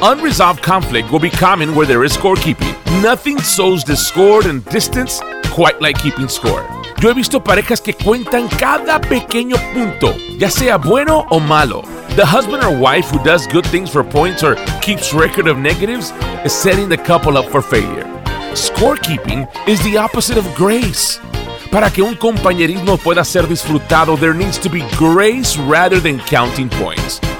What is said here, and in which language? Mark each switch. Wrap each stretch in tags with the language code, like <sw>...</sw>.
<en>Unresolved conflict will be common where there is scorekeeping. Nothing sows discord and distance quite like keeping score.</en> <es>Yo he visto parejas que cuentan cada pequeño punto, ya sea bueno o malo.</es> <en>The husband or wife who does good things for points or keeps record of negatives is setting the couple up for failure. Scorekeeping is the opposite of grace.</en> <es>Para que un compañerismo pueda ser disfrutado,</es> <en>there needs to be grace rather than counting points.</en>